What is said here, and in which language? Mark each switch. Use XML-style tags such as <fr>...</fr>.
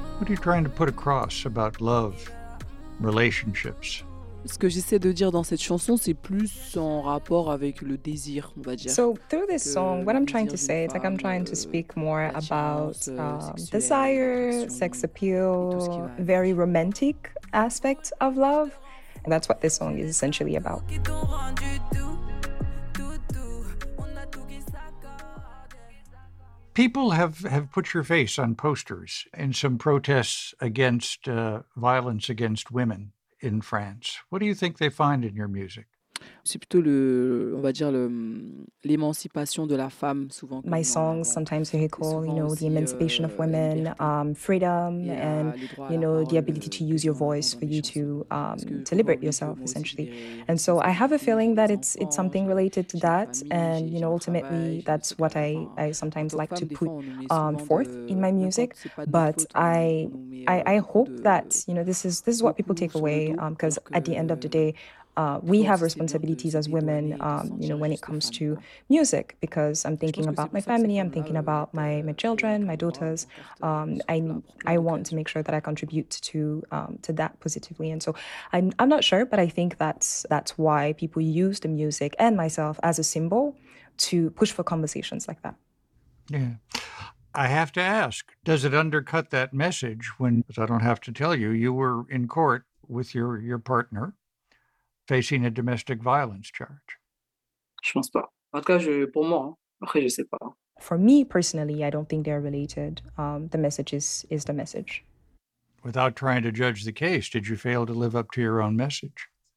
<en>What are you trying to put across about love, relationships?</en> <fr>Ce que j'essaie de dire dans cette chanson, c'est plus en rapport avec le désir, on va dire.</fr> <en>So through this song, what I'm trying to say, it's like I'm trying to speak more about desire, sex appeal, very romantic aspect of love. And that's what this song is essentially about. People have put your face on posters in some protests against violence against women in France. What do you think they find in your music?</en> <fr>C'est plutôt le, on va dire le, l'émancipation de la femme souvent.</fr> <en>My songs sometimes recall, the emancipation of women, freedom, and the ability to use your voice for you to liberate yourself essentially. And so I have a feeling that it's something related to that, and ultimately that's what I sometimes like to put forth in my music. But I hope that this is what people take away, because at the end of the day, we have responsibilities as women, when it comes to music, because I'm thinking about my family, I'm thinking about my children, my daughters. I want to make sure that I contribute to that positively. And so I'm not sure, but I think that's why people use the music and myself as a symbol to push for conversations like that. Yeah. I have to ask, does it undercut that message when, as I don't have to tell you, you were in court with your partner facing a domestic violence charge?</en> <fr>Je pense pas. En tout cas, pour moi, après, je sais pas.</fr> <en>For me personally, I don't think they're related. The message is the message. Without trying to judge the case, did you fail to live up to your own message?</en>